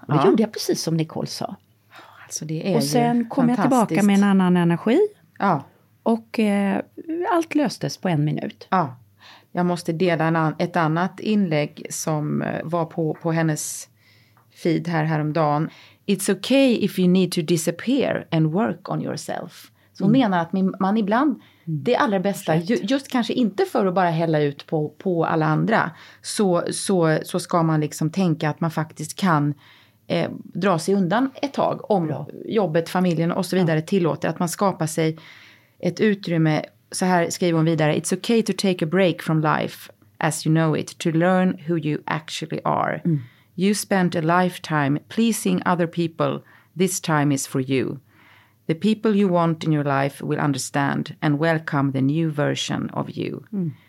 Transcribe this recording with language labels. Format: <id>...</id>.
<sv>och det gjorde jag precis som Nicole sa. Alltså det är och sen kom jag tillbaka med en annan energi. Ja. Och allt löstes på en minut. Ja. Jag måste dela ett annat inlägg som var på hennes feed här häromdagen.</sv> <en>It's okay if you need to disappear and work on yourself.</en> <sv>Så hon menar att man ibland, det allra bästa, just kanske inte för att bara hälla ut på alla andra. Så ska man liksom tänka att man faktiskt kan dra sig undan ett tag. Om jobbet, familjen och så vidare tillåter att man skapar sig ett utrymme. Så här skriver hon vidare.</sv> <en>It's okay to take a break from life as you know it. To learn who you actually are. Mm. You spent a lifetime pleasing other people. This time is for you. The people you want in your life will understand and welcome the new version of you. Mm.</en>